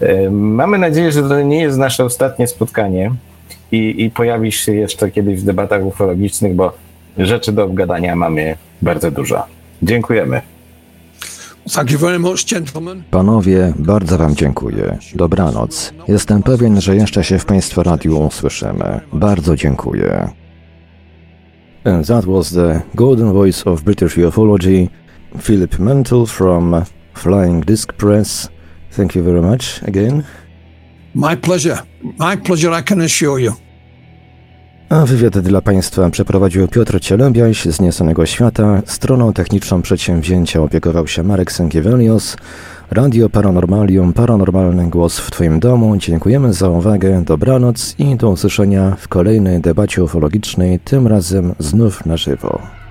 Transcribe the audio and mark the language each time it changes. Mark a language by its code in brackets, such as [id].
[pl] Mamy nadzieję, że to nie jest nasze ostatnie spotkanie i pojawisz się jeszcze kiedyś w debatach ufologicznych, bo rzeczy do obgadania mamy bardzo dużo. Dziękujemy. [en] Thank you very much, gentlemen. [pl] Panowie, bardzo wam dziękuję. Dobranoc. Jestem pewien, że jeszcze się w państwa radiu usłyszymy. Bardzo dziękuję. [en] And that was the golden voice of British ufology, Philip Mentel from Flying Disc Press. Thank you very much again. My pleasure. My pleasure, I can assure you. [pl] A wywiad dla państwa przeprowadził Piotr Cielebiaś z Niesanego Świata. Stroną techniczną przedsięwzięcia opiekował się Marek Sękiewelios. Radio Paranormalium, paranormalny głos w twoim domu. Dziękujemy za uwagę, dobranoc i do usłyszenia w kolejnej debacie ufologicznej, tym razem znów na żywo.